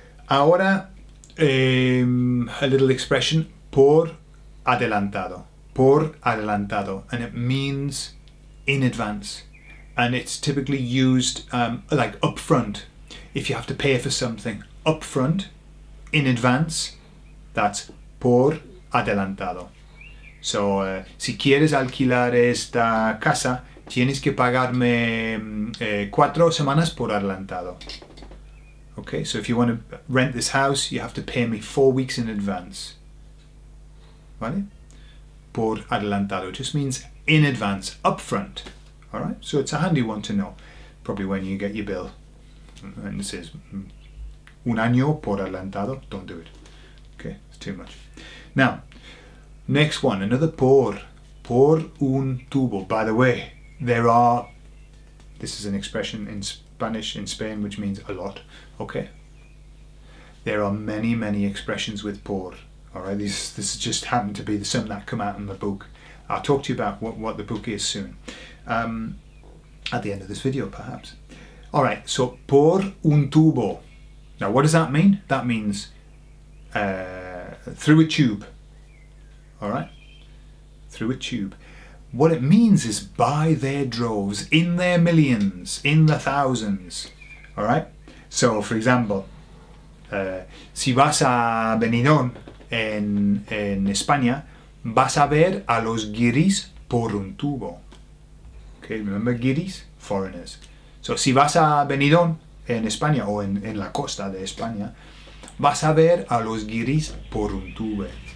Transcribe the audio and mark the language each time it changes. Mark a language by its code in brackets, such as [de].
[en] Ahora, a little expression, por adelantado, and it means in advance, and it's typically used like up front. If you have to pay for something up front, in advance, that's por adelantado. [es] So, si quieres alquilar esta casa, tienes que pagarme 4 semanas por adelantado. [en] Okay, so if you want to rent this house, you have to pay me 4 weeks in advance. Vale? Por adelantado. It just means in advance, up front. All right, so it's a handy one to know, probably when you get your bill. And it says, un año por adelantado. Don't do it. Okay, it's too much. Now, next one, another por. Por un tubo, by the way. This is an expression in Spanish, in Spain, which means a lot, okay? There are many, many expressions with por, all right? This just happened to be some that come out in the book. I'll talk to you about what the book is soon, at the end of this video, perhaps. All right, so por un tubo. Now, what does that mean? That means through a tube, all right? Through a tube. What it means is by their droves, in their millions, in the thousands, all right? [es] So, for example, si vas a Benidorm en España, vas a ver a los guiris por un tubo. Okay, remember guiris? Foreigners. So, si vas a Benidorm en España o en la costa de España, vas a ver a los guiris por un tubo.